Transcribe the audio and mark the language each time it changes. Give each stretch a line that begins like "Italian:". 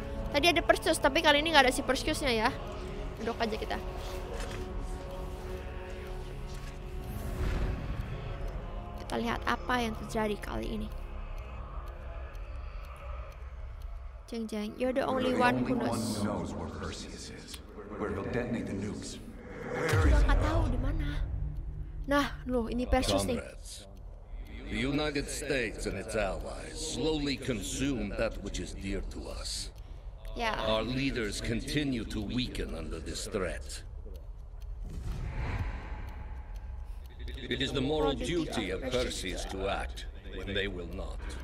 Indonesian: Tadi ada Perseus, tapi kali ini gak ada si Perseusnya ya. Duduk aja kita. Kita lihat apa yang terjadi kali ini.
English: Jeng jeng, you're the only one who knows where Perseus is. Where he'll detonate the nukes.
Indonesian: Kita juga gak tahu di mana. Nah, loh, ini Perseus nih.
English: The United States and its allies slowly consume that which is dear to us. Yeah. Our leaders continue to weaken under this threat. It is the moral duty of Perseus to act when they will not.